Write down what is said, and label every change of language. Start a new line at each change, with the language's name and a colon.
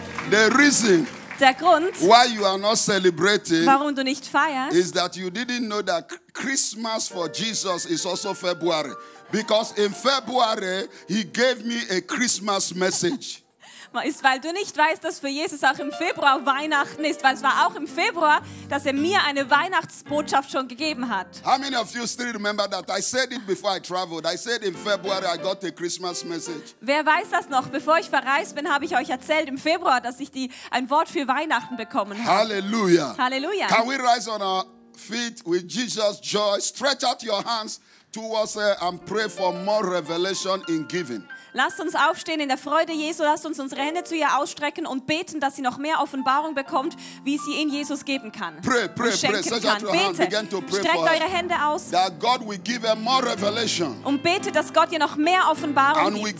English: The reason
German: Der Grund,
English: why you are not celebrating,
German: warum du nicht feierst,
English: is that you didn't know that Christmas for Jesus is also February. Because in February, he gave me a Christmas message.
German: Ist, weil du nicht weißt, dass für Jesus auch im Februar Weihnachten ist, weil es war auch im Februar, dass er mir eine Weihnachtsbotschaft schon gegeben hat.
English: How many of you still remember that I said it before I traveled? I said in February I got a Christmas message.
German: Wer weiß das noch? Bevor ich verreist bin, habe ich euch erzählt im Februar, dass ich ein Wort für Weihnachten bekommen habe. Halleluja. Halleluja.
English: Can we rise on our feet with Jesus' joy? Stretch out your hands towards her and pray for more revelation in giving.
German: Lasst uns aufstehen in der Freude Jesu, lasst uns unsere Hände zu ihr ausstrecken und beten, dass sie noch mehr Offenbarung bekommt, wie sie in Jesus geben kann. Streckt eure Hände aus.
English: That God will give her more revelation.
German: Und betet, dass Gott ihr noch mehr Offenbarung
English: and
German: gibt.